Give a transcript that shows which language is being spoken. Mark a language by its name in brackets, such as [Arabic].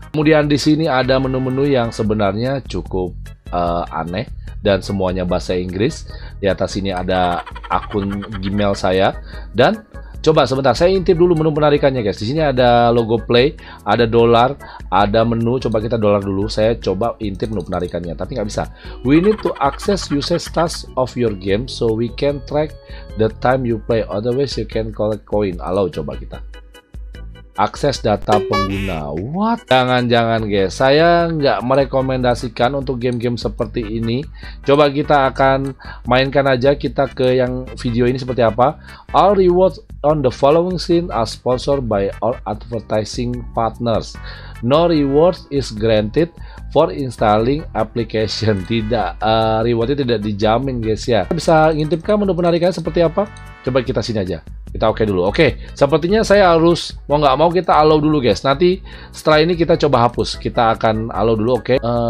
[Indonesian] Kemudian di sini ada menu-menu yang sebenarnya cukup aneh. Dan semuanya bahasa Inggris. Di atas ini ada akun Gmail saya. Dan coba sebentar, saya intip dulu menu penarikannya guys. Di sini ada logo play, ada dolar, ada menu. Coba kita dolar dulu. Saya coba intip menu penarikannya, tapi nggak bisa. [English] We need to access usage stats of your game so we can track the time you play. Otherwise you can collect coin. [Indonesian] Halo, coba kita akses data pengguna. [English] What? [Indonesian] Jangan-jangan guys, saya nggak merekomendasikan untuk game-game seperti ini. Coba kita akan mainkan aja, kita ke yang video ini seperti apa. [English] All rewards on the following scene are sponsored by all advertising partners. No rewards is granted for installing application. [Indonesian] Tidak, rewardnya tidak dijamin guys ya. Bisa ngintipkan menu penarikannya seperti apa? Coba kita sini aja. Kita oke dulu. Oke, sepertinya saya harus mau nggak mau kita allow dulu guys. Nanti setelah ini kita coba hapus. Kita akan allow dulu. Oke.